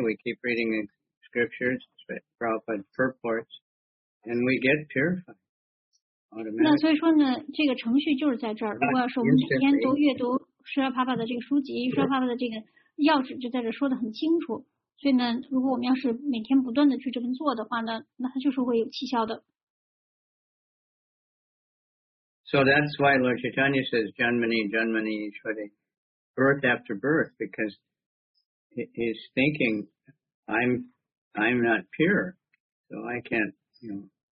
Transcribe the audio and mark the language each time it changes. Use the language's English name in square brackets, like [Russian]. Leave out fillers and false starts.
[English] We keep reading the scriptures, Prabhupada purports, and we get purified. [Chinese] 那所以说呢，这个程序就是在这儿。如果说我们每天读阅读释迦帕帕的这个书籍，释迦帕帕的这个要旨就在这说的很清楚。所以呢，如果我们要是每天不断的去这么做的话呢，那它就是会有奇效的。So [English] that's why Lord Chaitanya says, "Janmani, Janmani," birth after birth, because he's thinking, "I'm not pure, so I can't, you know."